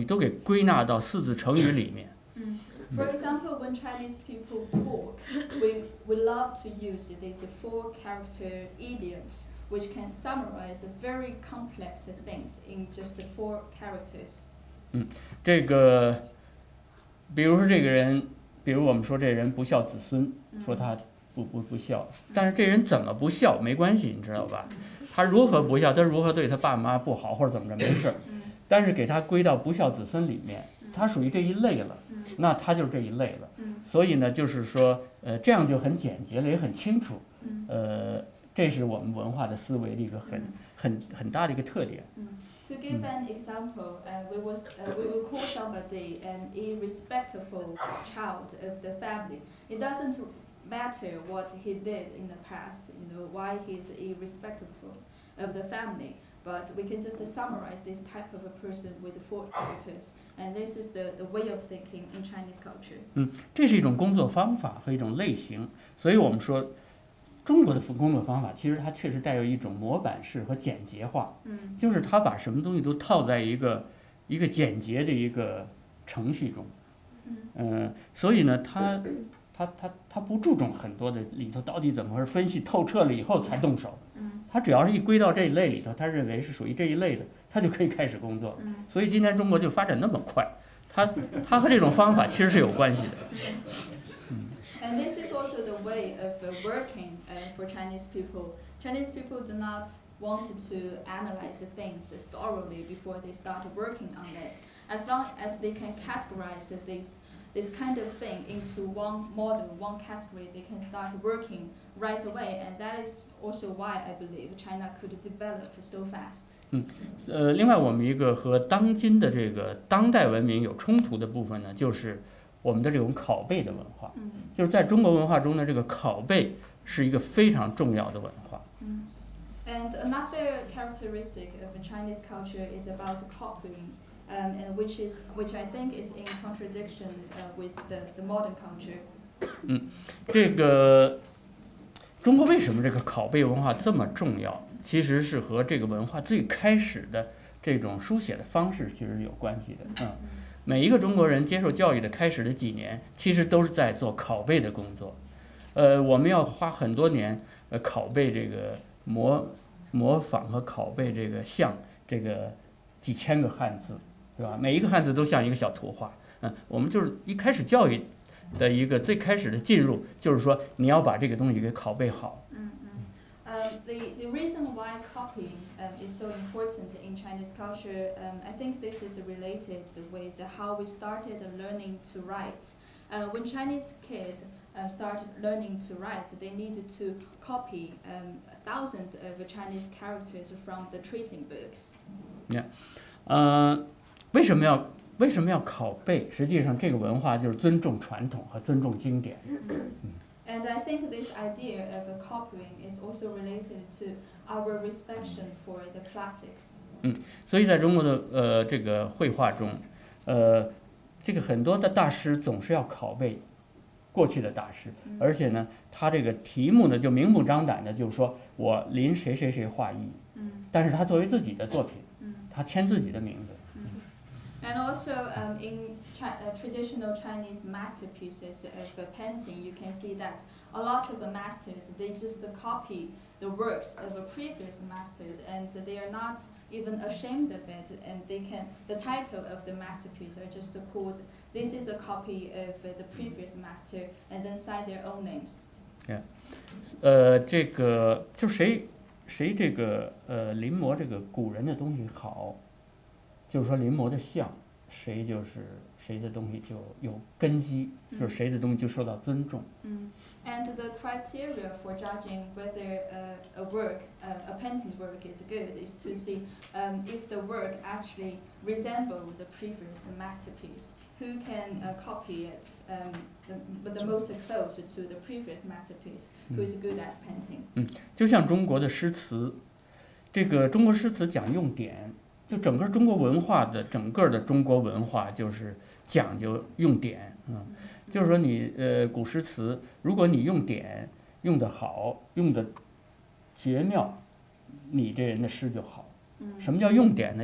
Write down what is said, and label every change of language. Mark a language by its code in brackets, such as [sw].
[zh] 比如说我们可以发现中国人说话呢很喜欢用四字成语，就是我们很喜欢把复杂的事情都用四字成语都给归纳到四字成语里面。 [en] For example, when Chinese people talk, we love to use these four character idioms, which can summarize very complex things in just four characters. [zh] 这个，比如说这个人，比如我们说这人不孝子孙，说他不孝，但是这人怎么不孝没关系，你知道吧？他如何不孝，他如何对他爸妈不好或者怎么着，没事。但是给他归到不孝子孙里面。它属于这一类了，那它就是这一类了。嗯，所以呢，就是说，这样就很简洁了，也很清楚。嗯，这是我们文化的思维的一个很大的一个特点。 [en] 嗯，To give an example, we will call somebody an irrespectful child of the family. It doesn't matter what he did in the past, you know, why he's irrespectful of the family. But we can just summarize this type of a person with four characters, and this is the way of thinking in Chinese culture. [zh] 这是一种工作方法和一种类型，所以我们说，中国的工作方法其实它确实带有一种模板式和简洁化。嗯，就是它把什么东西都套在一个简洁的一个程序中。所以呢，它不注重很多的里头到底怎么回事，分析透彻了以后才动手。他只要是一归到这一类里头，他认为是属于这一类的，他就可以开始工作。所以今天中国就发展那么快，他和这种方法其实是有关系的。 [en] And this is also the way of working for Chinese people. Chinese people do not want to analyze things thoroughly before they start working on it. As long as they can categorize this kind of thing into one model, one category, they can start working. Right away, and that is also why I believe China could develop so fast. [zh] 另外我们一个和当今的这个当代文明有冲突的部分呢，就是我们的这种拷贝的文化。就是在中国文化中的这个拷贝是一个非常重要的文化。 [en] And another characteristic of Chinese culture is about copying, and which I think is in contradiction with the modern culture. [zh] 这个。中国为什么这个拷贝文化这么重要？其实是和这个文化最开始的这种书写的方式其实有关系的。每一个中国人接受教育的开始的几年，其实都是在做拷贝的工作。我们要花很多年，拷贝这个模仿和拷贝这个像这个几千个汉字，是吧？每一个汉字都像一个小图画。我们就是一开始教育。的一个最开始的进入，就是说你要把这个东西给拷贝好。 [en] The reason why copying is so important in Chinese culture, I think this is related with how we started learning to write. When Chinese kids start learning to write, they need to copy thousands of Chinese characters from the tracing books. [zh] Yeah, 为什么要拷贝？实际上，这个文化就是尊重传统和尊重经典。 [en] And I think this idea of copying is also related to our respect for the classics. [zh] 所以在中国的这个绘画中，这个很多的大师总是要拷贝过去的大师，而且呢，他这个题目呢就明目张胆的，就是说我临谁谁谁画艺。但是他作为自己的作品，他签自己的名字。 [en] And also in traditional Chinese masterpieces of painting, you can see that a lot of the masters, they just copy the works of the previous masters, and they are not even ashamed of it, and the title of the masterpiece are just called, this is a copy of the previous master, and then sign their own names. Yeah. [zh] 这个就谁这个临摹这个古人的东西好。就是说临摹的像谁就是谁的东西就有根基，就是谁的东西就受到尊重。 [en] And the criteria for judging whether a work, a painting work is good is to see if the work actually resembles the previous masterpiece. Who can copy it the most close to the previous masterpiece who is good at painting. [zh] 就像中国的诗词，这个中国诗词讲用典。就整个中国文化的整个的中国文化就是讲究用典，就是说你古诗词，如果你用典用得好，用得绝妙，你这人的诗就好。什么叫用典呢？